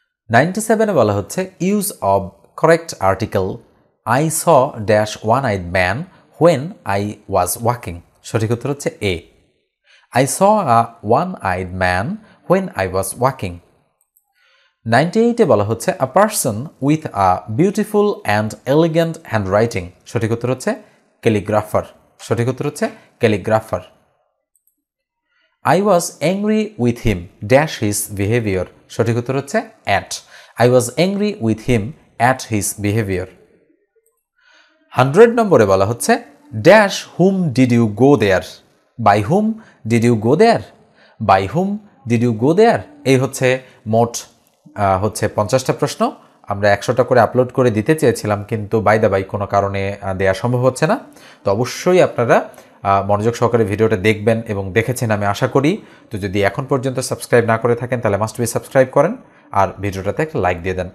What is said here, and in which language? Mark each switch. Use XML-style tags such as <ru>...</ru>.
<en>97</en> <bn>বলা হচ্ছে,</bn> <en>use of correct article I saw dash one eyed man when I was walking,</en> <bn>সঠিক উত্তর হচ্ছে</bn> <en>A, I saw one eyed man when I was walking. 98</en> <bn>বলা হচ্ছে,</bn> <en>a person with a beautiful and elegant hand writing,</en> <bn>সঠিক উত্তর হচ্ছে</bn> <en>Calligrapher, সঠিক উত্তর হচ্ছে calligrapher. I was angry with him dash his behavior,</en> <bn>সঠিক উত্তর হচ্ছে</bn> <en>at, I was angry with him at his behavior. 100</en> <bn>নম্বরে বলা হচ্ছে,</bn> <en>dash whom did you go there, by whom did you go there, by whom did you go there.</en> <bn>এই হচ্ছে মোট হচ্ছে 50 প্রশ্ন, আমরা 100 করে আপলোড করে দিতে চেয়েছিলাম, কিন্তু বাই দা বাই কোনো কারণে দেয়া সম্ভব হচ্ছে না, তো অবশ্যই আপনারা মনোযোগ সহকারে ভিডিওটা দেখবেন এবং দেখেছেন আমি আশা করি। তো যদি এখন পর্যন্ত সাবস্ক্রাইব না করে থাকেন তাহলে মাস্ট বি সাবস্ক্রাইব করেন, আর ভিডিওটাতে একটা লাইক দিয়ে দেন।</bn>